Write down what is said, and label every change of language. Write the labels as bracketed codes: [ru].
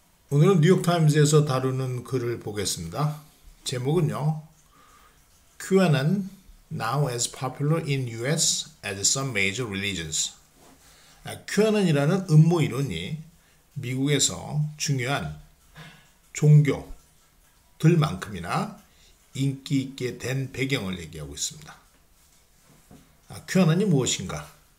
[ko] 오늘은 뉴욕타임스에서 다루는 글을 보겠습니다. 제목은요, [en] QAnon now as popular in US as some major religions. [ko] QAnon이라는 음모이론이 미국에서 중요한 종교들만큼이나 인기 있게 된 배경을 얘기하고 있습니다. QAnon이 무엇인가?